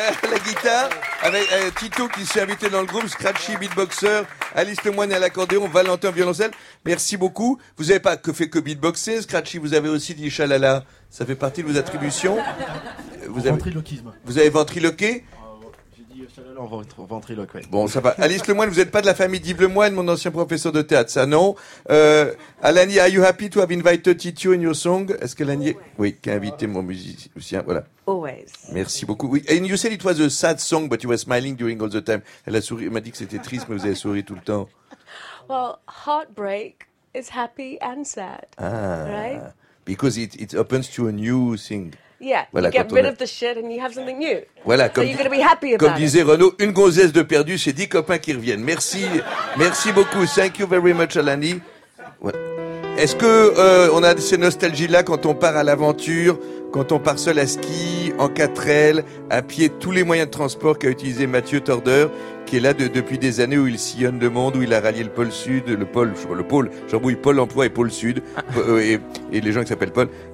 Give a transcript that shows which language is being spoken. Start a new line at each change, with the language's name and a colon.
French: la guitare, avec Tito qui s'est invité dans le groupe, Scratchy beatboxer, Alice Lemoine à l'accordéon, Valentin violoncelle. Merci beaucoup. Vous n'avez pas que fait que beatboxer, Scratchy, vous avez aussi dit chalala. Ça fait partie de vos attributions. Vous avez ventriloquisme. Vous avez ventriloqué. En ventriloque, ouais. Bon, ça va. Alice Lemoine, vous n'êtes pas de la famille d'Yves Lemoine, mon ancien professeur de théâtre, ça, non?
English: Alani, are you happy to have invited Tito in your song?
French: Est-ce que Alani, oui, qui a invité mon musicien, voilà.
English: Always.
French: Merci beaucoup. Oui.
English: And you said it was a sad song, but you were smiling during all the time.
French: Elle a souri, elle m'a dit que c'était triste, mais vous avez souri tout le temps.
English: Well, heartbreak is happy and sad. Right? Because it opens to a new thing. Yeah, voilà, you get rid of the shit and you have something new.
French: Voilà,
English: so you're going to be happy about it.
French: Comme disait Renaud, une gonzesse de perdu, c'est 10 copains qui reviennent. Merci, merci beaucoup.
English: Thank you very much, Alani.
French: Ouais. Est-ce que on a ces nostalgies-là quand on part à l'aventure, quand on part seul à ski, en 4L, à pied, tous les moyens de transport qu'a utilisé Mathieu Tordeur, qui est là depuis des années, où il sillonne le monde, où il a rallié le pôle sud, le pôle, j'embrouille pôle emploi et pôle sud, et les gens qui s'appellent Paul.